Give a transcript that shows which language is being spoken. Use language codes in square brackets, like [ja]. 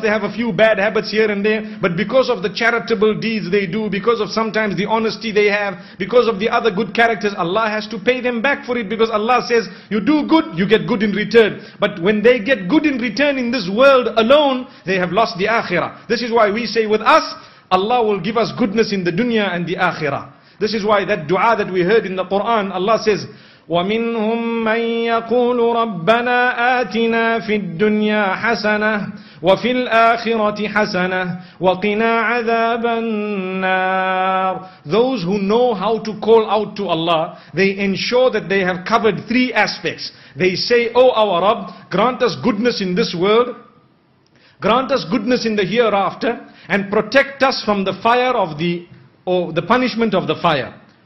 [en] They have a few bad habits here and there. But because of the charitable deeds they do, because of sometimes the honesty they have, because of the other good characters, Allah has to pay them back for it. Because Allah says, you do good, you get good in return. But when they get good in return in this world alone, they have lost the akhirah. This is why we say with us, Allah will give us goodness in the dunya and the akhirah. This is why that dua that we heard in the Quran, Allah says, [ar] وَمِنْهُمْ مَنْ يَقُولُ رَبَّنَا آتِنَا فِي الدُّنْيَا حَسَنَةً وَفِي الْآخِرَةِ حَسَنَةً وَقِنَا عَذَابَ النَّارِ. [en] Those who know how to call out to Allah, they ensure that they have covered three aspects. They say, oh our Rabb, grant us goodness in this world, grant us goodness in the hereafter, and protect us from the fire of the, or the punishment of the fire.